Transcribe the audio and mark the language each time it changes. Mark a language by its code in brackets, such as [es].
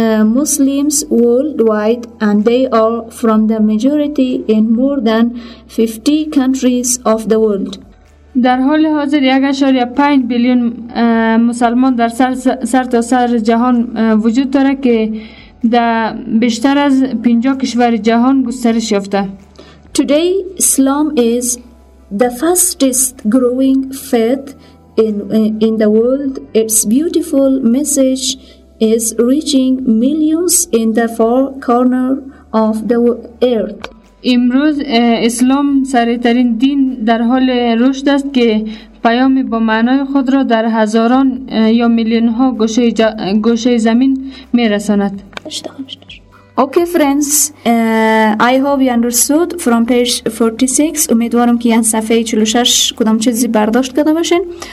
[en] Muslims worldwide and they are from the majority in more than 50 countries of the world. [fa] در حال حاضر 1.5 بیلیون مسلمان در سر تا سر جهان وجود داره که در بیشتر از 50 کشور جهان گسترش یافته. [en] Today Islam is the fastest growing faith in the world. Its beautiful message is reaching millions in the far corner of the earth. [fa] امروز اسلام سریع‌ترین دین در حال رشد است که پیام با معنای خود را در هزاران یا میلیون‌ها گوشه زمین می‌رساند. [en] Okay friends, I hope you understood from page 46. [fa] امیدوارم که از صفحه 46 کدام چیزی برداشت کرده باشین.